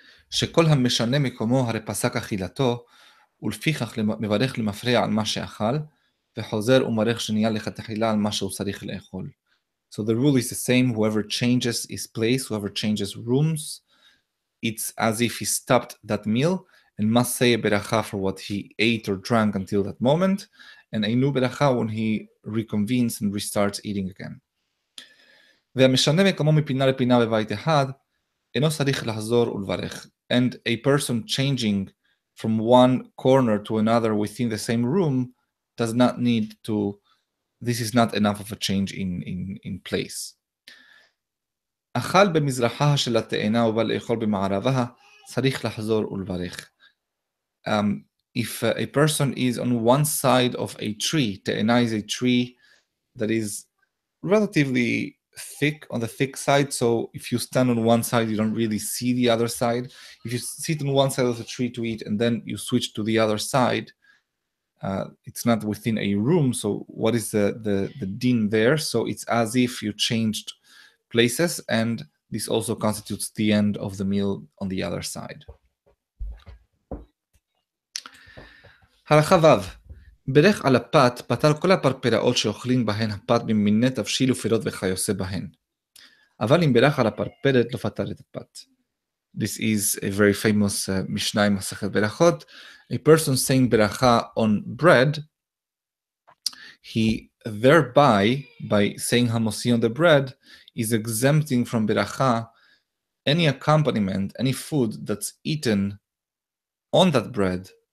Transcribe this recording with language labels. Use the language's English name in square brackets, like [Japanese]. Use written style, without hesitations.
[Hebrew] שכל המשנה מקומו הרי פסק אכילתו, ולפיכך מברך למפרע על מה שאכל, וחוזר ומברך שנייה לכתחילה על מה שהוא צריך לאכול. [English] So the rule is the same, whoever changes his place, whoever changes rooms, it's as if he stopped that meal and must say a beracha for what he ate or drank until that moment, and a new beracha when he reconvenes and restarts eating again. [Hebrew] והמשנה מקומו מפינה לפינה בבית אחד, אינו צריך לחזור ולברך. [English] And a person changing from one corner to another within the same room does not need to, this is not enough of a change in place. [Hebrew] אכל במזרחה של התאנה ובא לאכול במערבה, צריך לחזור ולברך. [English] If a person is on one side of a tree, תאנה is a tree that is relatively thick, on the thick side, so if you stand on one side, you don't really see the other side. If you sit on one side of the tree to eat and then you switch to the other side, it's not within a room, so what is the din there? So it's as if you changed places, and this also constitutes the end of the meal on the other side. [Hebrew] הלכה וב, ברך על הפת פתר כל הפרפראות שאוכלים בהן הפת ממיני תבשיל ופירות וכיוסה בהן. אבל אם ברך על הפרפרת לא פתר את הפת. [English] This is a very famous Mishnah in Masechet Berachot. A person saying beracha on bread, he thereby, by saying Hamosi on the bread, is exempting from beracha any accompaniment, any food that's eaten on that bread,